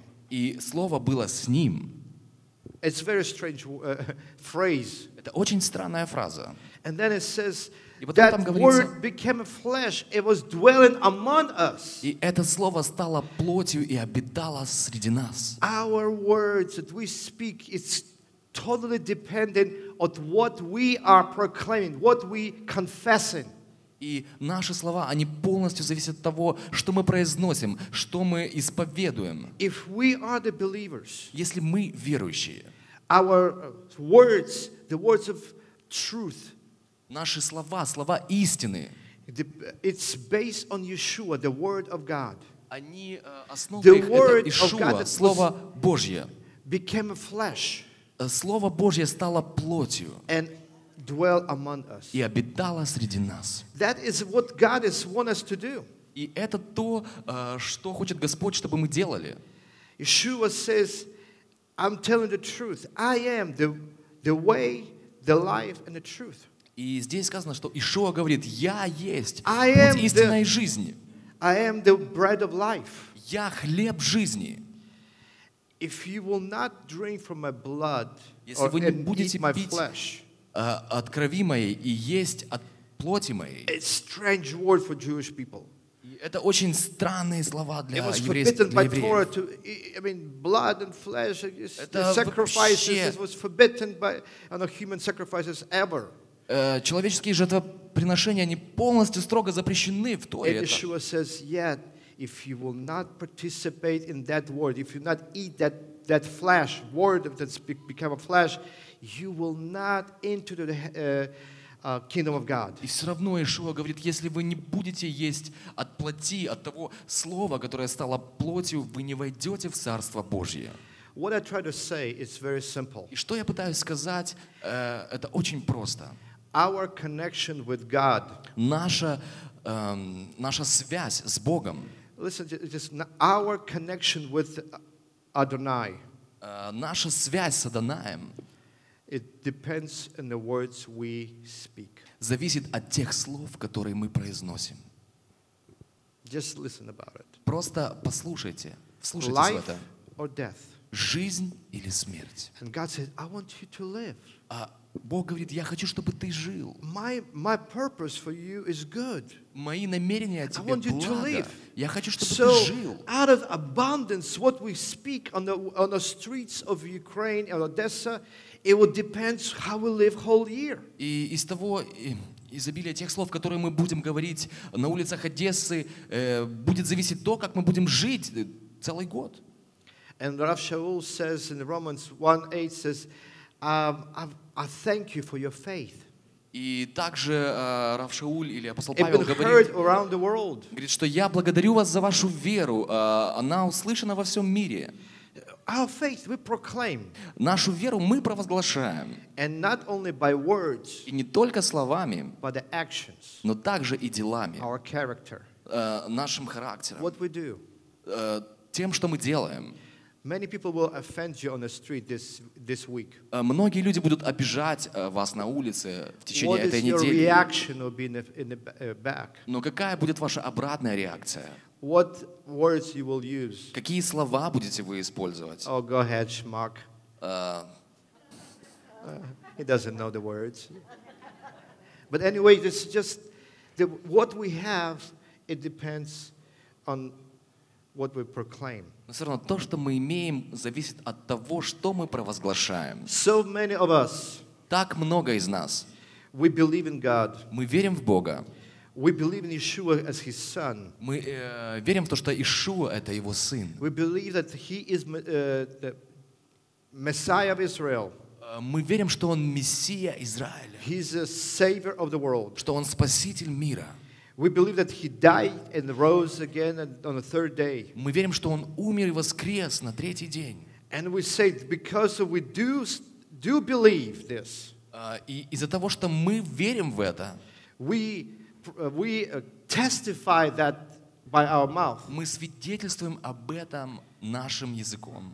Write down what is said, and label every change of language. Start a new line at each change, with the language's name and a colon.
Russian: И Слово было с Ним. Это очень странная фраза. И потом там говорится, и это Слово стало плотью и обитало среди нас.
English: Our words that we speak, it's totally dependent on what we are proclaiming, what we confessing.
Russian: И наши слова, они полностью зависят от того, что мы произносим, что мы исповедуем.
English: If we are the believers,
Russian: если мы верующие,
English: our words, the words of truth,
Russian: наши слова, слова истины,
English: it's based on Yeshua, the word of God.
Russian: Они основаны на Ишуа, слово Божье.
English: Became flesh.
Russian: Слово Божье стало плотью
English: and dwell among us.
Russian: И обитало среди нас.
English: That is what God has want us to do.
Russian: И это то, что хочет Господь, чтобы мы делали.
English: Yeshua says, I'm telling the truth. I am the way, the life, and the truth.
Russian: И здесь сказано, что Ишуа говорит, я есть путь истинной жизни.
English: I am the bread of life.
Russian: Я хлеб жизни.
English: If you will not drink from my blood,
Russian: если вы не будете пить от крови моей и есть от плоти моей,
English: it's strange word for Jewish people.
Russian: Это очень странные слова для евреев.
English: It was forbidden by Torah to, I mean, blood and flesh, the sacrifices. It was forbidden by no human sacrifices ever.
Russian: Человеческие жертвоприношения, они полностью строго запрещены в Торе.
English: And Yeshua says, yet. If you will not participate in that word, if you not eat that flesh word that's become a flesh, you will not enter the kingdom of God.
Russian: И все равно Иешуа говорит, если вы не будете есть от плоти, от того слова, которое стало плотью, вы не войдете в царство Божье.
English: What I try to say is very simple.
Russian: И что я пытаюсь сказать, это очень просто.
English: Our connection with God.
Russian: Наша связь с Богом.
English: Listen, just our connection with Adonai.
Russian: Наша связь с Адонаем.
English: It depends on the words we speak.
Russian: Зависит от тех слов, которые мы произносим.
English: Just listen about it.
Russian: Просто послушайте, вслушайтесь в это.
English: Life or death.
Russian: Жизнь или смерть.
English: And God says, I want you to live.
Russian: Бог говорит, я хочу, чтобы ты жил.
English: My purpose for you is good.
Russian: Мои намерения о тебе благо.
English: To live.
Russian: Я хочу, чтобы
English: so,
Russian: ты жил.
English: Out of abundance, what we speak on the streets of Ukraine and Odessa, it will depend how we live whole year.
Russian: И из того изобилия тех слов, которые мы будем говорить на улицах Одессы, будет зависеть то, как мы будем жить целый год.
English: And Rav Shaul says in Romans 1:8 says, I thank you for your faith.
Russian: И также Рав Шауль или апостол Павел говорит, что я благодарю вас за вашу веру, она услышана во всем мире.
English: Our faith we proclaim.
Russian: Нашу веру мы провозглашаем.
English: And not only by words,
Russian: и не только словами,
English: but the actions,
Russian: но также и делами,
English: our character,
Russian: нашим характером,
English: what we do,
Russian: тем, что мы делаем.
English: Many people will offend you on the street this week.
Russian: Многие люди будут обижать вас на улице в течение этой недели.
English: What is your reaction will be in the back?
Russian: Но какая будет ваша обратная реакция?
English: What words you will use?
Russian: Какие слова будете вы использовать?
English: Oh, go ahead, schmuck. He doesn't know the words. But anyway, this is just what we have. It depends on what we proclaim.
Russian: Но все равно то, что мы имеем, зависит от того, что мы провозглашаем.
English: So many of us,
Russian: так много из нас.
English: We believe in God.
Russian: Мы верим в Бога.
English: We believe in Yeshua as his son.
Russian: Мы верим в то, что Иешуа — это его сын.
English: We believe that he is the Messiah of Israel.
Russian: Мы верим, что Он Мессия Израиля.
English: He's a savior of the world.
Russian: Что Он Спаситель мира.
English: We believe that He died and rose again on the third day.
Russian: Мы верим, что Он умер и воскрес на третий день.
English: And we say because we do believe this.
Russian: И из-за того, что мы верим в это,
English: we testify that by our mouth.
Russian: Мы свидетельствуем об этом нашим языком.